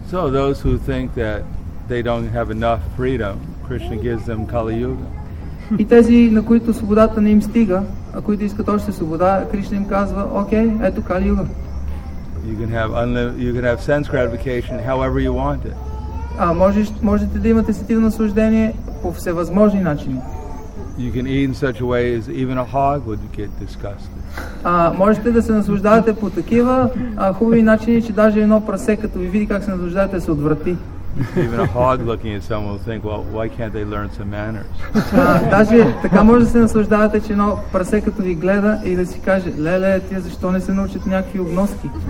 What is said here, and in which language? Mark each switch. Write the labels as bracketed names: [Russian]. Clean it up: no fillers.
[English] So those who think that they don't have enough freedom, Krishna gives them Kali Yuga. [Bulgarian] И тези, на които свободата не им стига, а които искат още свобода, Кришна им казва: "Окей, ето Кали Юга." [English] You can have sense gratification however you want it. [Bulgarian] Можете да имате сетивно наслаждение по всевъзможни начини. [English] You can eat in such a way as even a hog would get disgusted. [Bulgarian] Можете да се наслаждавате по такива хубави начини, че даже едно прасе, като ви види как се наслаждавате, се отврати. [English] Even a hog looking at someone will think, well, why can't they learn some manners? [Bulgarian] Даже така може да се наслаждавате, че едно прасе като ви гледа и да си каже, леле, тия защо не се научат някакви обноски?